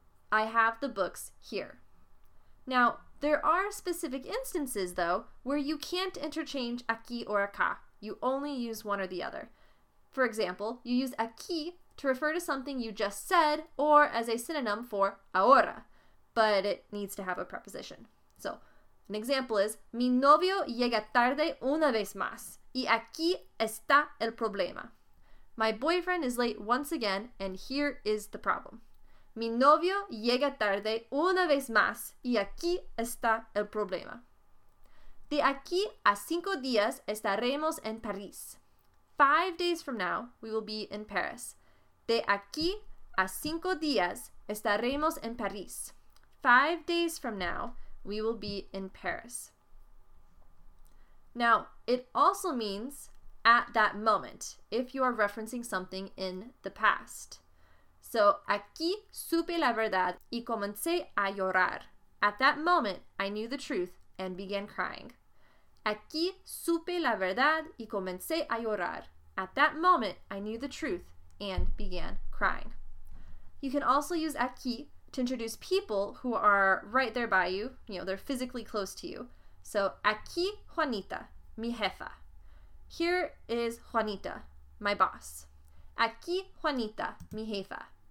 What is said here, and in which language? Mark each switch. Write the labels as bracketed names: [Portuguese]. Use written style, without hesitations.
[English] I have the books here. Now, there are specific instances, though, where you can't interchange aquí or acá. You only use one or the other. For example, you use aquí to refer to something you just said, or as a synonym for ahora, but it needs to have a preposition. So, an example is, [Spanish] mi novio llega tarde una vez más, y aquí está el problema. [English] My boyfriend is late once again, and here is the problem. [Spanish] Mi novio llega tarde una vez más, y aquí está el problema. De aquí a cinco días estaremos en París. [English] 5 days from now, we will be in Paris. [Spanish] De aquí a cinco días estaremos en París. [English] 5 days from now, we will be in Paris. Now, it also means at that moment, if you are referencing something in the past. [Spanish] So, aquí supe la verdad y comencé a llorar. [English] At that moment, I knew the truth and began crying. [Spanish] Aquí supe la verdad y comencé a llorar. [English] At that moment, I knew the truth and began crying. You can also use aquí to introduce people who are right there by you. You know, they're physically close to you. So, [Spanish] aquí Juanita, mi jefa. [English] Here is Juanita, my boss. [Spanish] Aquí Juanita, mi jefa.